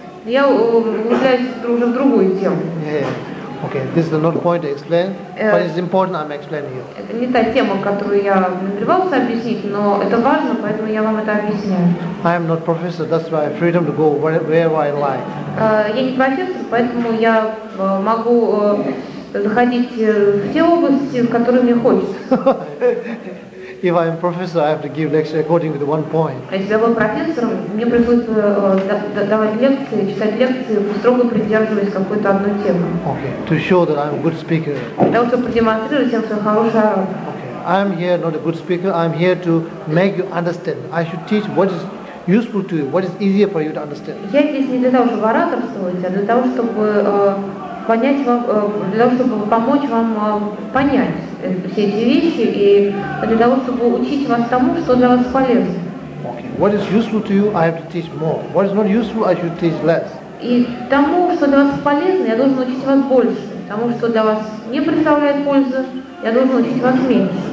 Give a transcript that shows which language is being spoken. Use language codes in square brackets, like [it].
[ru] Я углубляюсь уже в другую тему. [en] Okay, this is not point to explain, but it's important I'm explaining you. [ru] Это не та тема, которую я намеревался объяснить, но это важно, поэтому я вам это объясняю. [en] I am not professor, that's why I have freedom to go wherever I like. [ru] Я не профессор, поэтому я могу заходить в те области, в которые мне хочется. [en] If I am professor, I have to give lecture according to the one point. [ru] Если я был профессором, мне приходится давать лекции, читать лекции, строго придерживаясь какой-то одной темы. [en] Okay. To show that I am a good speaker. [ru] Для того, чтобы продемонстрировать, тем, что я хороший оратор. [en] Okay. I am here not a good speaker. I am here to make you understand. I should teach what is useful to you, what is easier for you to understand. [ru] Я здесь не для того, чтобы ораторствовать, а для того, чтобы понять вам, для того, чтобы помочь вам понять. Все эти вещи и для того, чтобы учить вас тому, что для вас полезно. [en] Okay. What is useful to you, I have to teach more. What is not useful, I should teach less. [ru] И тому, что для вас полезно, я должен учить вас больше. Тому, что для вас не представляет пользы, я должен учить вас меньше.